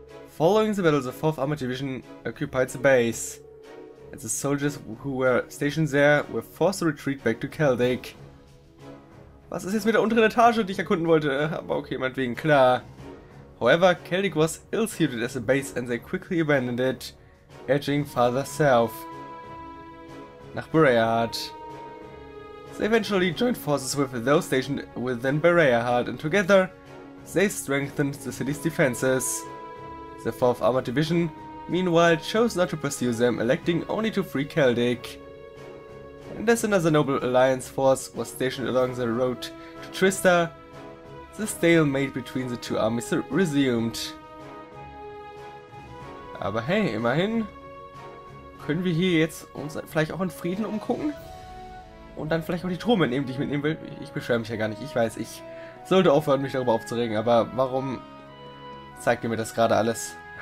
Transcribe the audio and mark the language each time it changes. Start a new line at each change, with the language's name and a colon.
English: Following the battle, the 4th Armored Division occupied the base. And the soldiers who were stationed there were forced to retreat back to Kaldaic.
German: Was ist jetzt mit der unteren Etage, die ich erkunden wollte? Aber okay, meinetwegen, klar.
English: However, Kaldaic was ill-suited as a base and they quickly abandoned it, edging farther south.
German: Nach Bereahard.
English: They eventually joined forces with those stationed within Bereahard and together they strengthened the city's defenses. The 4th Armored Division, meanwhile, chose not to pursue them, electing only to free Kaldaic. And as another Noble Alliance force was stationed along the road to Trista, the stalemate between the two armies resumed.
German: Aber hey, immerhin können wir hier jetzt uns vielleicht auch in Frieden umgucken? Und dann vielleicht auch die Truhe mitnehmen, die ich mitnehmen will? Ich beschwere mich ja gar nicht, ich weiß, ich sollte aufhören, mich darüber aufzuregen, aber warum zeigt ihr mir das gerade alles?